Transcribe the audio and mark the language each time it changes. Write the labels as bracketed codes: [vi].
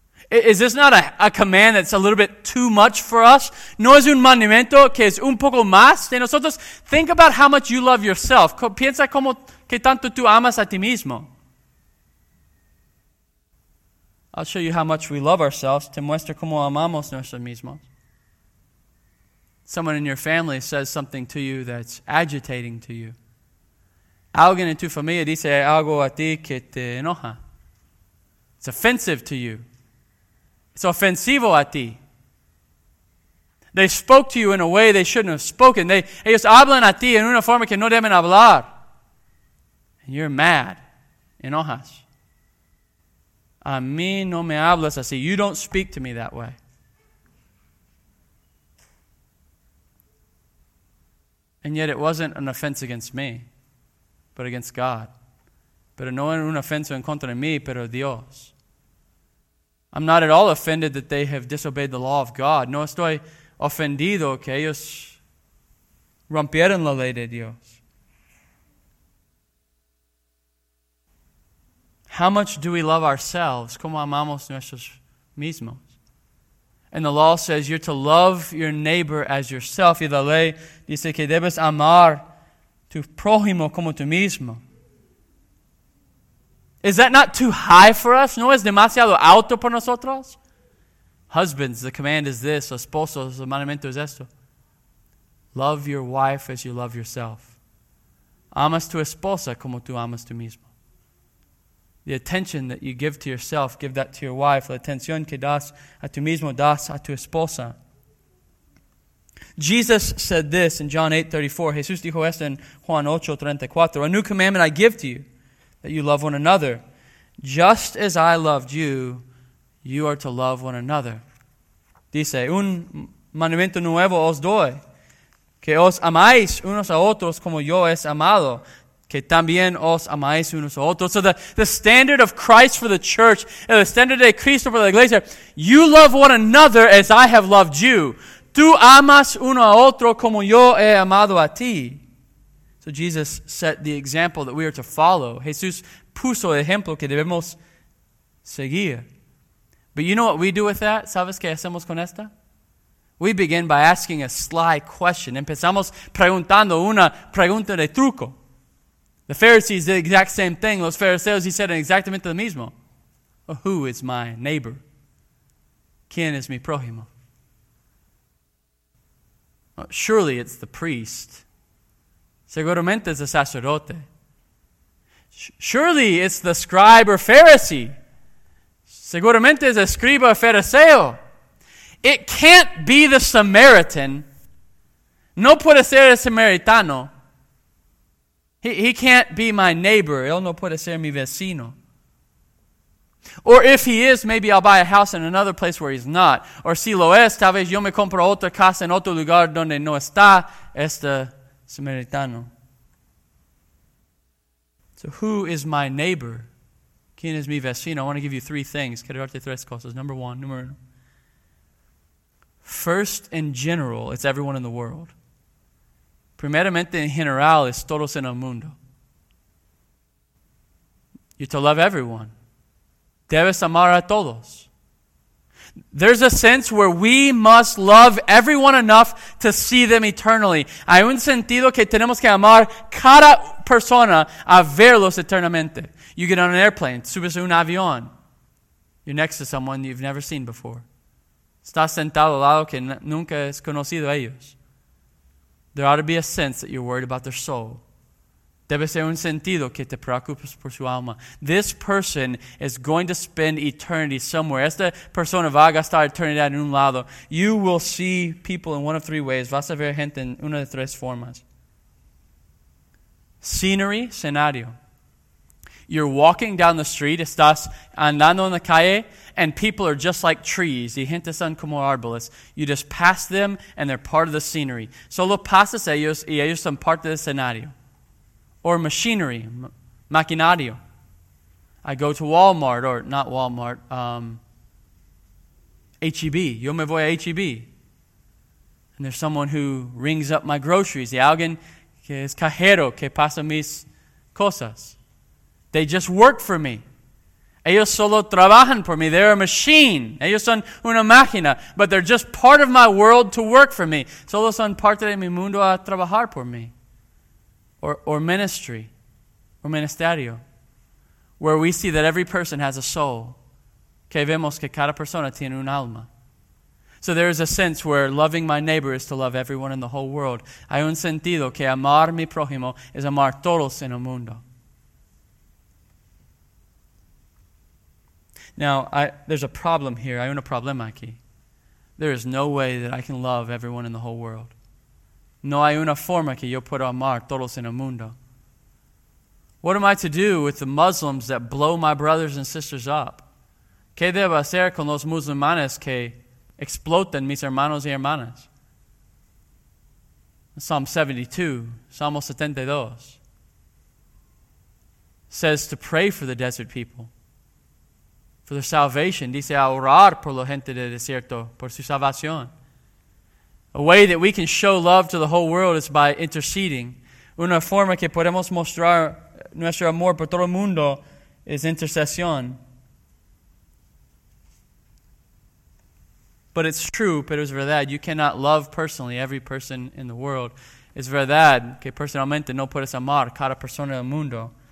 [en] Is this not a command that's a little bit too much for us? [es] ¿No es un mandamiento que es un poco más de nosotros? [en] Think about how much you love yourself. [es] Piensa como que tanto tú amas a ti mismo. [en] I'll show you how much we love ourselves. [es] Te muestro cómo amamos nosotros mismos. [en] Someone in your family says something to you that's agitating to you. [es] Alguien en tu familia dice algo a ti que te enoja. [en] It's offensive to you. It's [es] ofensivo a ti. [en] They spoke to you in a way they shouldn't have spoken. [es] Ellos hablan a ti en una forma que no deben hablar. [en] And you're mad. [es] Enojas. A mí no me hablas así. [en] You don't speak to me that way. And yet it wasn't an offense against me, but against God. [es] Pero no era una ofensa en contra de mí, pero Dios. [en] I'm not at all offended that they have disobeyed the law of God. [es] No estoy ofendido que ellos rompieron la ley de Dios. [en] How much do we love ourselves? [es] ¿Cómo amamos nuestros mismos? [en] And the law says you're to love your neighbor as yourself. [es] Y la ley dice que debes amar tu prójimo como tú mismo. [en] Is that not too high for us? [es] ¿No es demasiado alto por nosotros? [en] Husbands, the command is this. [es] Esposos, el mandamiento es esto. [en] Love your wife as you love yourself. [es] Amas tu esposa como tú amas tú mismo. [en] The attention that you give to yourself, give that to your wife. [es] La atención que das a tu mismo, das a tu esposa. [en] Jesus said this in John 8:34. [es] Jesús dijo esto en Juan 8:34. [en] A new commandment I give to you, that you love one another. Just as I loved you, you are to love one another. [es] Dice, un mandamiento nuevo os doy. Que os amáis unos a otros como yo es amado. Que también os amáis unos a otros. [en] So the standard of Christ for the church, the standard [es] de Cristo [en] for the [es] iglesia, [en] you love one another as I have loved you. [es] Tú amas uno a otro como yo he amado a ti. [en] So Jesus set the example that we are to follow. [es] Jesús puso el ejemplo que debemos seguir. [en] But you know what we do with that? [es] ¿Sabes qué hacemos con esta? [en] We begin by asking a sly question. [es] Empezamos preguntando una pregunta de truco. [en] The Pharisees did the exact same thing. [es] Los fariseos hicieron exactamente lo mismo. [en] Who is my neighbor? [es] ¿Quién es mi prójimo? [en] Surely it's the priest. [es] Seguramente es el sacerdote. [en] Surely it's the scribe or Pharisee. [es] Seguramente es el escriba o fariseo. [en] It can't be the Samaritan. [es] No puede ser el samaritano. [en] He can't be my neighbor. [es] Él no puede ser mi vecino. [en] Or if he is, maybe I'll buy a house in another place where he's not. [es] Or si lo es, tal vez yo me compro otra casa en otro lugar donde no está este samaritano. [en] So who is my neighbor? [es] ¿Quién es mi vecino? [en] I want to give you three things. [es] Quiero darte tres cosas. [en] Number one, [es] número uno. [en] First, in general, it's everyone in the world. [es] Primeramente, en general, es todos en el mundo. [en] You're to love everyone. [es] Debes amar a todos. [en] There's a sense where we must love everyone enough to see them eternally. [es] Hay un sentido que tenemos que amar cada persona a verlos eternamente. [en] You get on an airplane, [es] subes un avión. [en] You're next to someone you've never seen before. [es] Estás sentado al lado que nunca has conocido a ellos. [en] There ought to be a sense that you're worried about their soul. [es] Debe ser un sentido que te preocupes por su alma. [en] This person is going to spend eternity somewhere. [es] Esta persona va a gastar eternidad en un lado. [en] You will see people in one of three ways. [es] Vas a ver gente en una de tres formas. [en] Scenery, [es] escenario. [en] You're walking down the street. [es] Estás andando en la calle. [en] And people are just like trees. [es] Y gente son como árboles. [en] You just pass them and they're part of the scenery. [es] Solo pasas ellos y ellos son parte del escenario. [en] Or machinery, [es] maquinario. [en] I go to Walmart, or not Walmart, HEB. [es] Yo me voy a HEB. [en] And there's someone who rings up my groceries. [es] Y alguien que es cajero, que pasa mis cosas. [en] They just work for me. [es] Ellos solo trabajan por mí. [en] They're a machine. [es] Ellos son una máquina. [en] But they're just part of my world to work for me. [es] Solo son parte de mi mundo a trabajar por mí. [en] Or ministry. Or [es] ministerio. [en] Where we see that every person has a soul. [es] Que vemos que cada persona tiene un alma. [en] So there is a sense where loving my neighbor is to love everyone in the whole world. [es] Hay un sentido que amar mi prójimo es amar todos en el mundo. [en] Now, there's a problem here. [es] Hay un problema aquí. [en] There is no way that I can love everyone in the whole world. [es] No hay una forma que yo pueda amar todos en el mundo. [en] What am I to do with the Muslims that blow my brothers and sisters up? [es] ¿Qué debo hacer con los musulmanes que explotan mis hermanos y hermanas? [en] Psalm 72, [es] Salmo 72, [en] says to pray for the desert people. For their salvation, [es] dice a orar por la gente del desierto, por su salvación. [en] A way that we can show love to the whole world is by interceding. [es] Una forma que podemos mostrar nuestro amor por todo el mundo es intercesión. But [en] But it's true, [es] pero es verdad. [en] You cannot love personally every person in the world. [es] Es verdad que personalmente no puedes amar cada persona del mundo.